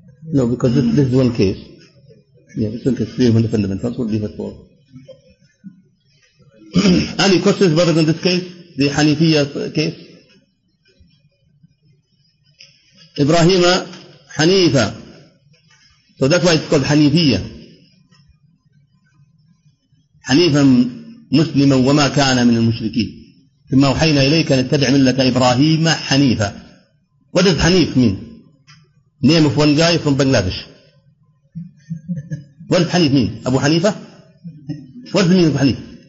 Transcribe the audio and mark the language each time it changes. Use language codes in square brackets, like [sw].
[en] No, because this is one case. Yeah, this one case, three fundamentals. What we have for? Any questions, brothers, in this case? The Hanifiya case? [ar] إبراهيم حنيفة. [en] So that's why it's called حنيفية. [ar] حنيفا مسلما وما كان من المشركين. ثم أوحينا إليك أن اتبع ملة إبراهيم حنيفة. [en] What does حنيف mean? Name of one guy from Bangladesh. What does حنيف mean? [ar] أبو حنيفة? [en] What does it mean of حنيف?